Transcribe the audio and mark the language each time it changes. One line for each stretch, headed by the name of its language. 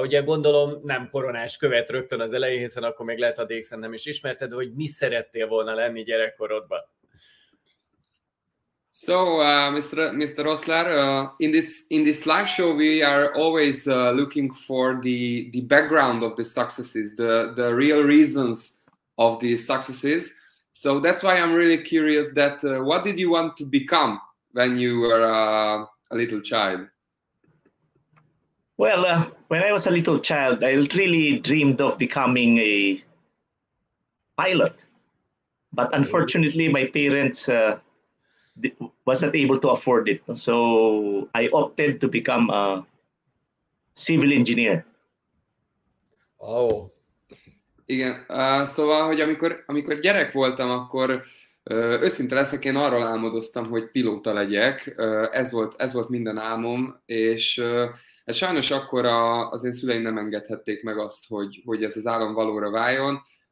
Hungarian: Ugye gondolom nem koronás követ rögtön az elején, hiszen akkor még lehet a DXN nem is ismerted, hogy mi szerettél volna lenni gyerekkorodban?
English: So, Mr. Oszler, in this live show we are always looking for the background of the successes, the real reasons of the successes. So that's why I'm really curious that what did you want to become when you were a little child? Well, when I was a little child, I really dreamed of becoming a pilot. But unfortunately, my parents wasn't able to afford it. So I opted to become a civil engineer. Oh.
Hungarian: Igen. Szóval, hogy amikor gyerek voltam, akkor őszinte leszek, én arról álmodoztam, hogy pilóta legyek. Ez volt minden álmom, és... Hát sajnos akkor az én szüleim nem engedhették meg azt, hogy ez az álom valóra váljon.